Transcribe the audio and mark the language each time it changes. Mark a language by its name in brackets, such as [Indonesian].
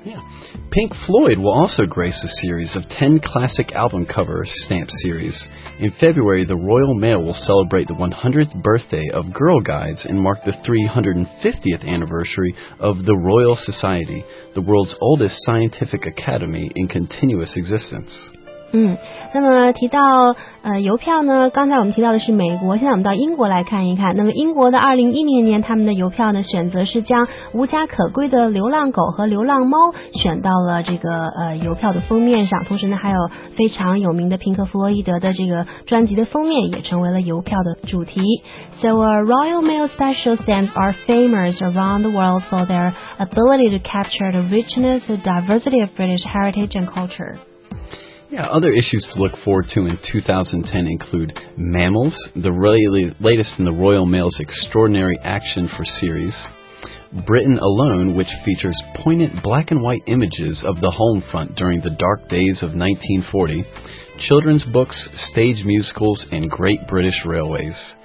[English] Yeah. Pink Floyd will also grace a series of 10 classic album cover stamp series. In February, the Royal Mail will celebrate the 100th birthday of Girl Guides and mark the 350th anniversary of the Royal Society, the world's oldest scientific academy in continuous existence. [Chinese] 那么提到邮票呢，刚才我们提到的是美国，现在我们到英国来看一看。那么英国的2010年，他们的邮票呢选择是将无家可归的流浪狗和流浪猫选到了这个邮票的封面上，同时呢还有非常有名的平克·弗洛伊德的这个专辑的封面也成为了邮票的主题。 [English] So Royal Mail special stamps are famous around the world for their ability to capture the richness and diversity of British heritage and culture. Yeah, other issues to look forward to in 2010 include Mammals, the latest in the Royal Mail's Extraordinary Action for series, Britain Alone, which features poignant black and white images of the home front during the dark days of 1940, children's books, stage musicals, and Great British Railways.